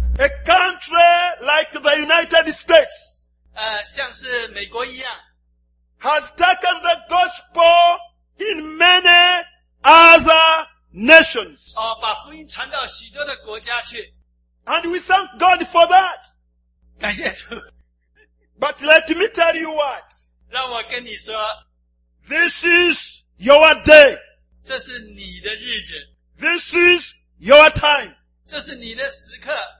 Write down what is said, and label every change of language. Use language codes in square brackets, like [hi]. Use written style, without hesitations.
[en] a country like the United States, [zh] 像是美国一样, [en] has taken the gospel in many other nations. [zh] 把福音传到许多的国家去. [en] And we thank God for that. [zh] 感谢主. [en] But let me tell you what. [zh] 让我跟你说, [en] this is your day. [zh] 这是你的日子. [en] This is your time. [zh] 这是你的时刻.